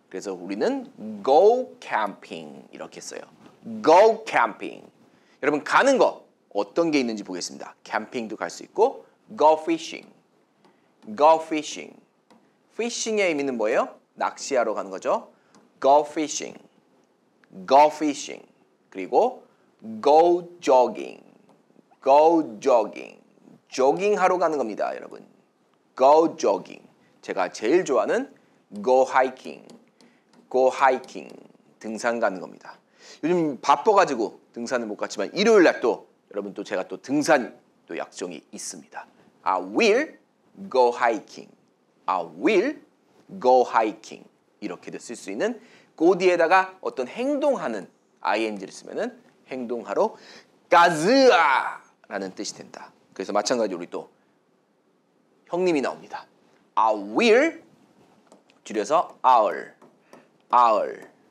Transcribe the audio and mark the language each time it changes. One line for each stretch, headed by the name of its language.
Korean: 그래서 우리는
English: go camping
Korean: 이렇게 써요.
English: go camping.
Korean: 여러분 가는 거 어떤 게 있는지 보겠습니다. 캠핑도 갈 수 있고
English: go fishing. go fishing.
Korean: fishing의 의미는 뭐예요? 낚시하러 가는 거죠.
English: go fishing. go fishing. 그리고 go jogging. go jogging.
Korean: 조깅하러 가는 겁니다, 여러분.
English: go jogging.
Korean: 제가 제일 좋아하는
English: go hiking. go hiking.
Korean: 등산 가는 겁니다. 요즘 바빠가지고 등산을 못 갔지만 일요일 날 또 여러분 또 제가 또 등산 또 약정이 있습니다.
English: I will go hiking. I will go hiking.
Korean: 이렇게도 쓸 수 있는 go 뒤에다가 어떤 행동하는 ing를 쓰면은 행동하러 가즈아라는 뜻이 된다. 그래서 마찬가지로 우리 또 형님이 나옵니다.
English: I will 줄여서 I'll, I'll.